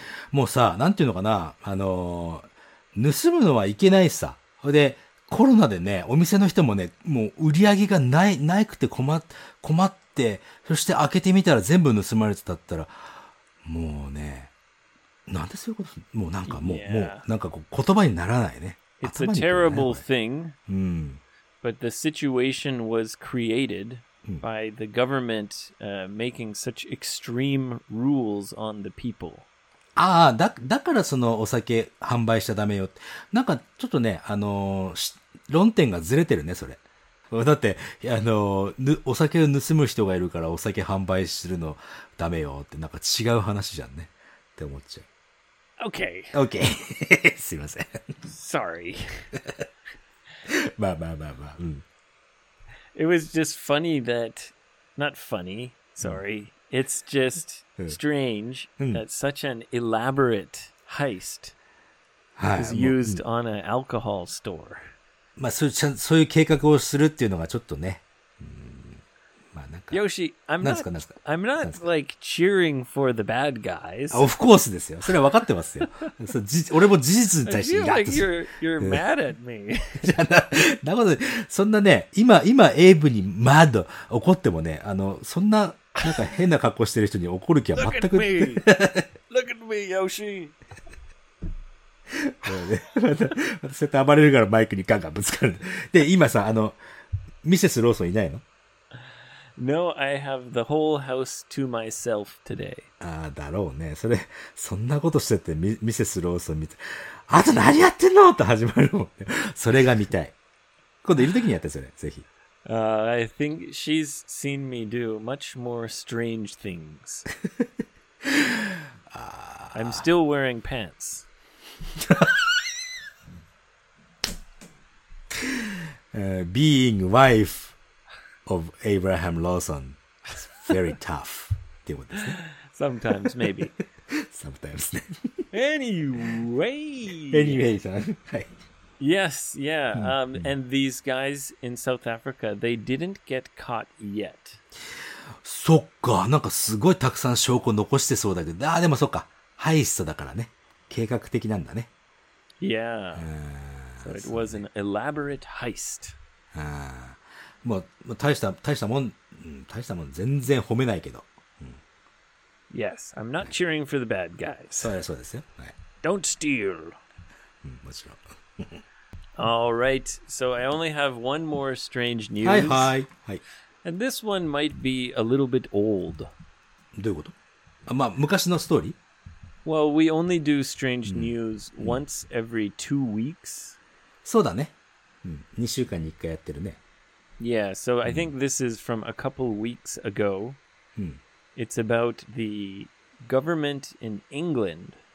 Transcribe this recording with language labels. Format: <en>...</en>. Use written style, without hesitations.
<ja>もうさ、なんていうのかな、盗むのはいけないさ。で、コロナでね、お店の人もね、もう売り上げがない、なくて困って、そして開けてみたら全部盗まれてたったら、もうね、なんでそういうこと、もうなんかもう、もうなんかこう言葉にならないね。</ja> <en>It's a terrible thing, but the situation was created by the government making such extreme rules on the people.</en> <ja>ああ、だからそのお酒販売しちゃダメよって。なんかちょっとね、論点がずれてるね、それ。だって、お酒を盗む人がいるからお酒販売するのダメよって、なんか違う話じゃんね。って思っちゃう。</ja> <en>Okay. Okay.</en> <ja>すいません。</ja> <en>Sorry.</en> <ja>まあまあまあまあ。うん。</ja> <en>It was just funny that, not funny, sorry.、</en> <ja>うん</ja> <en>It's just strange that such an elaborate heist is used on an alcohol store.</en> <ja>まあ、そういう計画をするっていうのがちょっとね。まあ、なんか。</ja> <en>Yoshi, I'm not like cheering for the bad guys. Of course</en> <ja>ですよ。それは分かってますよ。俺も事実に対して。</ja> <en>I feel like you're mad at me.</en> <ja>なので、そんなね、今エイブに mad 怒ってもね、そんな、なんか変な格好してる人に怒る気は全く</ja> <en>Look at me! Look at me, Yoshi!</en> <ja>もうね、またそうやって暴れるからマイクにガンガンぶつかる。で、今さ、ミセス・ローソンいないの</ja> <en>?No, I have the whole house to myself today.</en> <ja>ああ、だろうね。それ、そんなことしてて、ミセス・ローソン見て、あと何やってんのって始まるもんね。それが見たい。今度いるときにやって、それ、ぜひ。</ja> <en>I think she's seen me do much more strange things. I'm still wearing pants. being wife of Abraham Lawson is very tough. Sometimes, maybe. Sometimes. Anyway. Anyway, son. Yes, yeah. And these guys in South Africa, they didn't get caught yet.</en> <ja>そっか。なんかすごいたくさん証拠残してそうだけど。あ、でもそっか。ハイストだからね。計画的なんだね。</ja> <en>Yeah. So it was an elaborate heist.</en> <ja>まあ、まあ、大したもん、大したもん全然褒めないけど。</ja> <en>Yes, I'm not cheering for the bad guys.</en> <ja>そうや、そうですよ。はい、</ja> <en>Don't steal.</en> <ja>もちろん。</ja> <en>All right, so I only have one more strange news.</en> <ja>はいはい。はい。</ja> <en>And this one might be a little bit old.</en> <ja>どういうこと？あ、まあ、昔のストーリー？</ja> <en>Well, we only do strange news once every 2 weeks.</en> <ja>そうだね。うん、2週間に1回やってるね。</ja> <en>Yeah, so I think this is from a couple weeks ago.</en> <ja>うん。</ja> <en>It's about the government in England.</en>